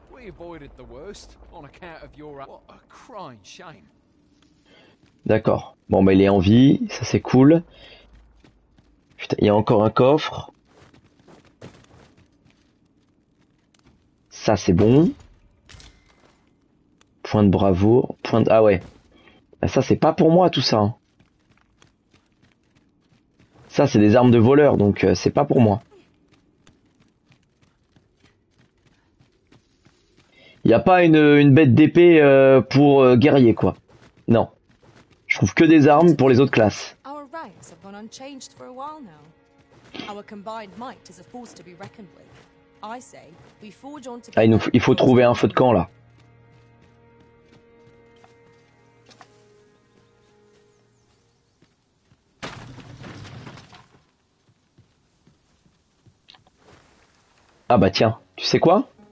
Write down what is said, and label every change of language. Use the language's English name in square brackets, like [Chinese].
[English] We avoided the worst on account of your what a crying shame. [French] D'accord. Bon bah il est en vie, ça c'est cool. Putain, il y a encore un coffre. Ça c'est bon. Point de bravoure, point de... Ah ouais. Ben ça, c'est pas pour moi, tout ça. Ça, c'est des armes de voleur, donc c'est pas pour moi. Il n'y a pas une bête d'épée pour guerrier, quoi. Non. Je trouve que des armes pour les autres classes. [English] Our ranks have gone unchanged for a while now. Our combined might is a force to be reckoned with. I say we forge on together. [French] Ah, il faut trouver un feu de camp là. Ah bah tiens, tu sais quoi?